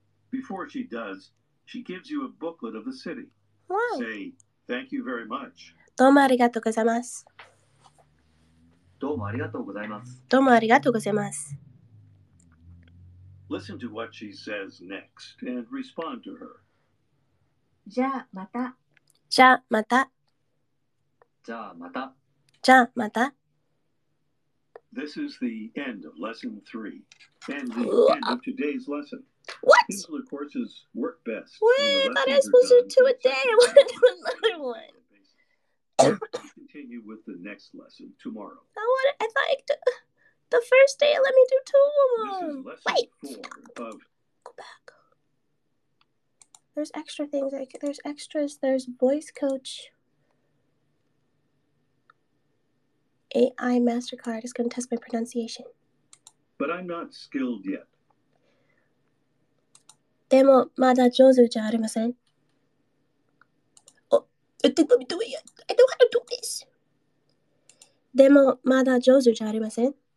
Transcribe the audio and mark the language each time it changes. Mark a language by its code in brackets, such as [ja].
[en] Before she does, she gives you a booklet of the city. Why? Say, thank you very much. [ja] どうもありがとうございます。どうもありがとうございます。どうもありがとうございます。 [en] Listen to what she says next and respond to her. [ja] じゃあまた。じゃあまた。じゃあまた。じゃあまた。 [en] This is the end of lesson 3 and the end of today's lesson. What? Simpler courses work best. Wait, but I supposed to do a day. I want to do another one. Continue with the next lesson tomorrow. I want. I thought I the first day. Let me do two of them. This is lesson Wait. 4 of. Go back. There's extra things, like there's extras, there's voice coach. AI MasterCard is going to test my pronunciation. But I'm not skilled yet. [ja] でもまだ上手じゃありません。 [en] Oh, I didn't do it yet. I don't want to do this. [ja] でもまだ上手じゃありません。